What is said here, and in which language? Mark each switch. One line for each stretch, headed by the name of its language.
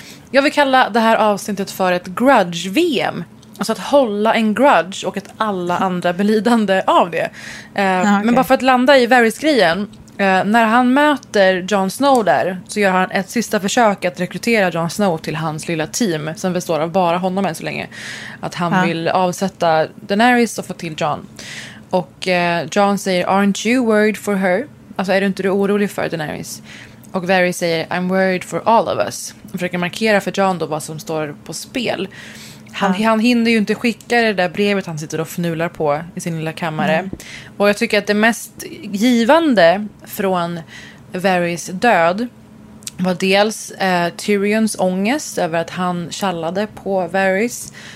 Swedish: Jag vill kalla det här avsnittet för ett grudge-VM. Alltså att hålla en grudge och att alla andra belidande av det. Okay. Men bara för att landa i Varys-grejen. När han möter Jon Snow där, så gör han ett sista försök att rekrytera Jon Snow till hans lilla team, som består av bara honom än så länge. Att han vill avsätta Daenerys och få till Jon. Och Jon säger,
English: aren't you worried for her?
Swedish: Alltså, är du inte orolig för Daenerys? Och Varys säger,
English: I'm worried for all of us.
Swedish: Och försöker markera för Jon då vad som står på spel. Han hinner ju inte skicka det där brevet han sitter och fnular på i sin lilla kammare. Mm. Och jag tycker att det mest givande från Varys död var dels Tyrions ångest över att han kallade på Varys.